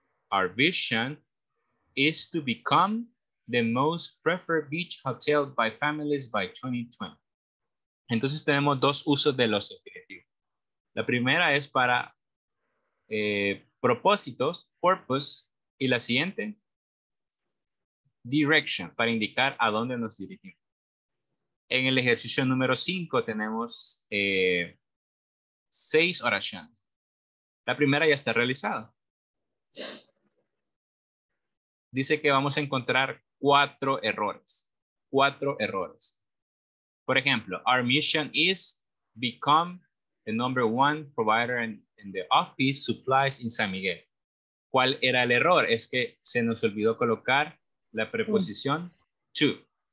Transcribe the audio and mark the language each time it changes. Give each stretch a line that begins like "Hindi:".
English: Our vision is to become the most preferred beach hotel by families by 2020.
Spanish: Entonces tenemos dos usos de los infinitivos. La primera es para propósitos, purpose, y la siguiente, direction, para indicar a dónde nos dirigimos. En el ejercicio número 5 tenemos 6 oraciones. La primera ya está realizada. Dice que vamos a encontrar 4 errores. 4 errores. Por ejemplo,
English: our mission is become the number one provider in the office supplies in San Miguel.
Spanish: ¿Cuál era el error? Es que se nos olvidó colocar la preposición to.